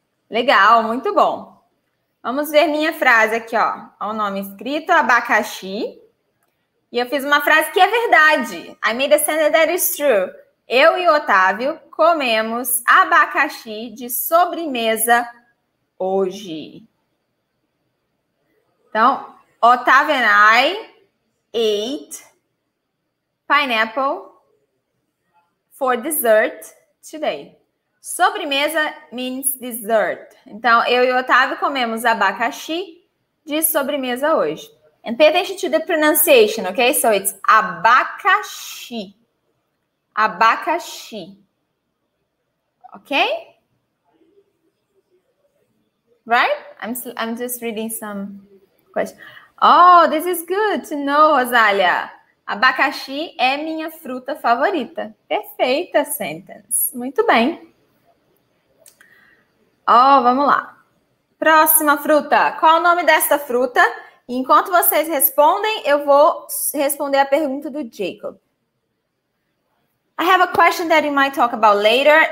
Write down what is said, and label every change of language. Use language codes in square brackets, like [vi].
[pt] Legal, muito bom. Vamos ver minha frase aqui, ó. Olha o nome escrito, abacaxi. E eu fiz uma frase que é verdade. [en] I made a sentence that is true. [pt] Eu e o Otávio comemos abacaxi de sobremesa hoje. [en] Então, Otávio and I ate pineapple for dessert today. Sobremesa means dessert. [pt] Então, eu e o Otávio comemos abacaxi de sobremesa hoje. [en] And pay attention to the pronunciation, ok? So it's abacaxi. Abacaxi. Ok? Right? I'm just reading some questions. Oh, this is good to know, Rosália. [pt] Abacaxi é minha fruta favorita. Perfeita sentence. Muito bem. Ó, vamos lá. Próxima fruta. Qual o nome desta fruta? Enquanto vocês respondem, eu vou responder a pergunta do Jacob. [en] I have a question that you might talk about later.